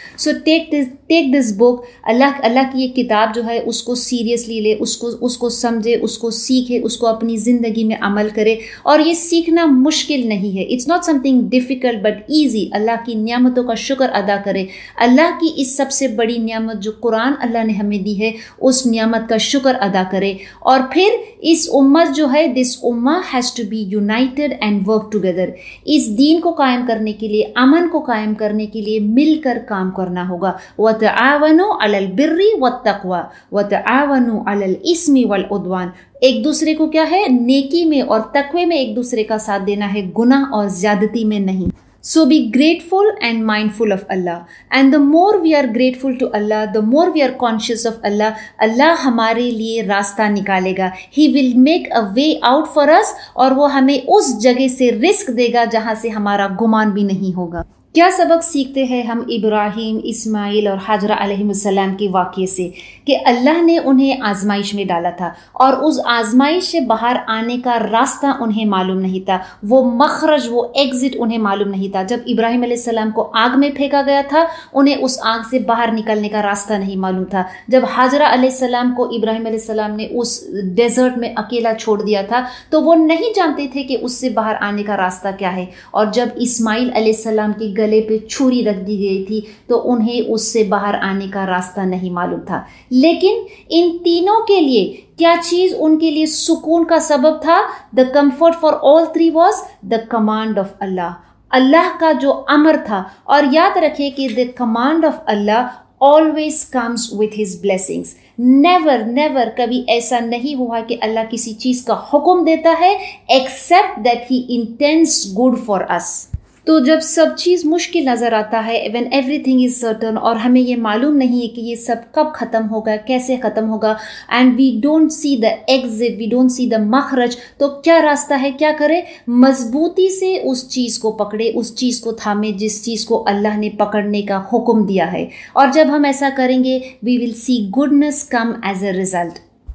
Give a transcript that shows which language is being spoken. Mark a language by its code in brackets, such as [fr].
[en] so take this book, [ur] اللہ کی یہ کتاب جو ہے اس کو سیریسلی لے، اس کو سمجھے، اس کو سیکھے، اس کو اپنی زندگی میں عمل کرے. اور یہ سیکھنا مشکل نہیں ہے، [en] It's not something difficult but easy. [ur] اللہ کی نعمتوں کا شکر ادا کرے، اللہ کی اس سب سے بڑی نعمت جو قرآن اللہ نے ہمیں دی ہے، اس نعمت کا شکر ادا کرے. اور پھر اس امت جو ہے، [en] this ummah has to be united and work together. [ur] اس دین کو قائم کرنے کے لیے، امن کو قائم کرنے کے لیے مل کر کام کرنا ہوگا. [ar] وتعاونوا علی البر والتقوی وتعاونوا علی الاسم والعدوان، [ur] ایک دوسرے کو کیا ہے، نیکی میں اور تقوی میں ایک دوسرے کا ساتھ دینا ہے، گناہ اور زیادتی میں نہیں. [en] So be grateful and mindful of Allah. And the more we are grateful to Allah, the more we are conscious of Allah, Allah [ur] ہمارے لیے راستہ نکالے گا. [en] He will make a way out for us. [ur] اور وہ ہمیں اس جگہ سے رزق دے گا جہاں سے ہمارا گمان بھی نہیں ہوگا. کیا سبق سیکھتے ہیں ہم ابراہیم، اسماعیل اور حاجرہ علیہ السلام کے واقعے سے؟ کہ اللہ نے انہیں آزمائش میں ڈالا تھا اور اس آزمائش سے باہر آنے کا راستہ انہیں معلوم نہیں تھا، وہ مخرج، وہ ایگزٹ انہیں معلوم نہیں تھا. جب ابراہیم علیہ السلام کو آگ میں پھینکا گیا تھا، انہیں اس آگ سے باہر نکلنے کا راستہ نہیں معلوم تھا. جب حاجرہ علیہ السلام کو ابراہیم علیہ السلام نے اس ڈیزرٹ میں اکیلا چھوڑ دیا تھا، تو وہ نہیں جانتے تھے کہ اس سے باہر آنے کا راستہ کیا ہے. اور جب اسماعیل علیہ السلام کی گلے پہ چھری رکھ دی گئی تھی، تو انہیں اس سے باہر آنے کا راستہ نہیں معلوم تھا. لیکن ان تینوں کے لیے کیا چیز ان کے لیے سکون کا سبب تھا؟ [en] The comfort for all three was the command of Allah. [ur] اللہ کا جو امر تھا. اور یاد رکھے کہ [en] the command of Allah always comes with his blessings. Never [ur] کبھی ایسا نہیں ہوا کہ اللہ کسی چیز کا حکم دیتا ہے [en] except that he intends good for us. [ur] تو جب سب چیز مشکل نظر آتا ہے [en] when everything is certain [ur] اور ہمیں یہ معلوم نہیں ہے کہ یہ سب کب ختم ہوگا کیسے ختم ہوگا [en] and we don't see the [ur] exit we don't see the مخرج تو کیا راستہ ہے کیا کرے مضبوطی سے اس چیز کو پکڑے اس چیز کو تھامے جس چیز کو اللہ نے پکڑنے کا حکم دیا ہے اور جب ہم ایسا کریں گے [en] we will see goodness come as a result